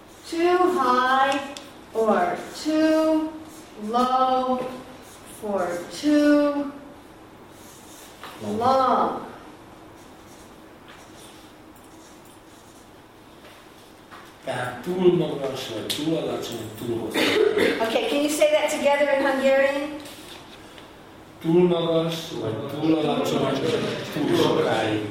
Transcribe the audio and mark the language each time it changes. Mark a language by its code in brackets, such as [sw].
[en] Too high or too low for too long. [hu] Tehát túl magas vagy túl alacsony, túl hosszú. [en] Okay, can you say that together in Hungarian? [hu] Túl magas vagy túl alacsony, túl sokáig.